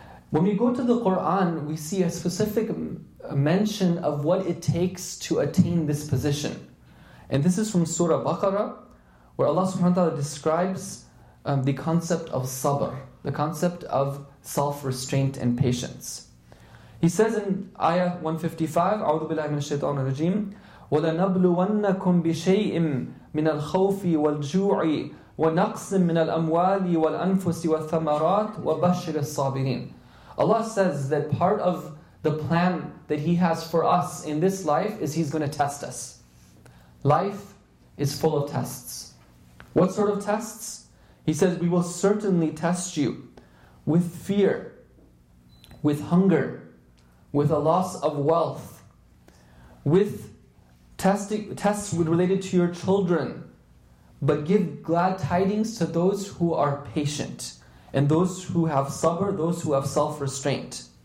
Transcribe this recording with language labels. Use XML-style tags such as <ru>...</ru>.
<en>When we go to the Quran, we see a specific mention of what it takes to attain this position. And this is from Surah Baqarah, where Allah subhanahu wa ta'ala describes the concept of sabr, the concept of self-restraint and patience. He says in Ayah 155,</en> <ar>أعوذ بالله من الشيطان الرجيم, وَلَنَبْلُوَنَّكُمْ بِشَيْءٍ مِّنَ الْخَوْفِ وَالْجُوعِ وَنَقْصٍ مِّنَ الْأَمْوَالِ وَالْأَنفُسِ وَالثَّمَرَاتِ وَبَشِّرِ الصَّابِرِينَ.</ar> <en>Allah says that part of the plan that He has for us in this life is He's going to test us. Life is full of tests. What sort of tests? He says, we will certainly test you with fear, with hunger, with a loss of wealth, with tests related to your children, but give glad tidings to those who are patient and those who have sabr, those who have self-restraint.</en>